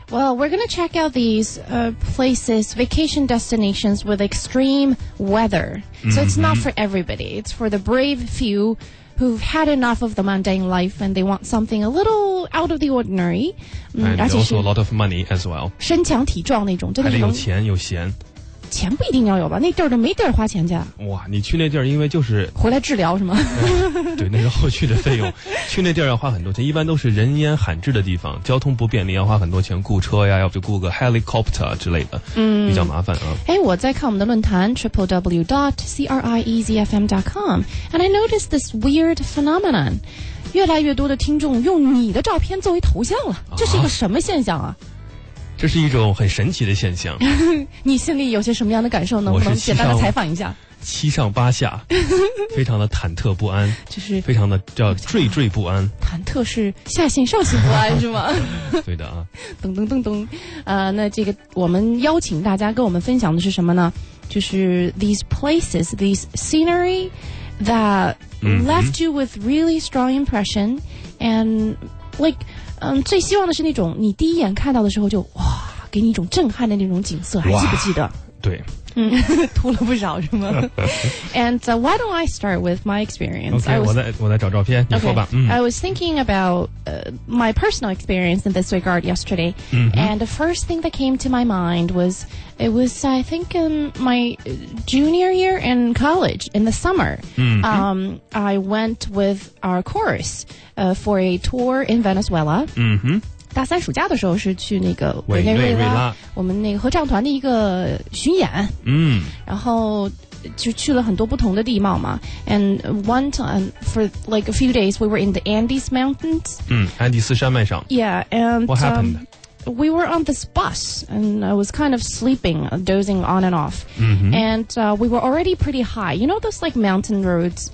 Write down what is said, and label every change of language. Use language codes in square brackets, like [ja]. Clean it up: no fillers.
[en] Well, we're going to check out these places, vacation destinations with extreme weather. So it's not for everybody. It's for the brave few who've had enough of the mundane life and they want something a little out of the ordinary. And also a lot of money as well. [zh] 身强体壮那种，真的还得有钱有闲。钱不一定要有吧，那地儿都没地儿花钱去。哇，你去那地儿因为就是回来治疗是吗？对，那是后续的费用。去那地儿要花很多钱，一般都是人烟罕至的地方，交通不便利，要花很多钱雇车呀，要不就雇个 helicopter 之类的，嗯，比较麻烦啊。哎，我在看我们的论坛 www.criezfm.com [en] and I noticed this weird phenomenon， [zh] 越来越多的听众用你的照片作为头像了，这是一个什么现象啊？这是一种很神奇的现象。你心里有些什么样的感受？能不能简单的采访一下？七上八下，非常的忐忑不安，就是非常的叫惴惴不安。忐忑是下心上心不安是吗？对的啊。噔噔噔噔，那这个我们邀请大家跟我们分享的是什么呢？ [en] 就是 these places, these scenery that left you with really strong impression, and like. [zh] 最希望的是那种你第一眼看到的时候就哇，给你一种震撼的那种景色，还记不记得？对，吐了不少是吗？ [en] And why don't I start with my experience? Okay, I was [zh] 找照片，你说吧。 [en] Okay, I was thinking about my personal experience in this regard yesterday. And the first thing that came to my mind was it was I think in my junior year in college in the summer. I went with our course for a tour in Venezuela. 嗯哼。 [zh] 大三暑假的时候是去那个委内瑞拉，我们那个合唱团的一个巡演，然后就去了很多不同的地貌嘛。 [en] And one time for like a few days, we were in the Andes Mountains. [zh] 安第斯山脉上。 [en] Yeah, and what happened? We were on this bus, and I was kind of sleeping, dozing on and off. And we were already pretty high. You know those like mountain roads?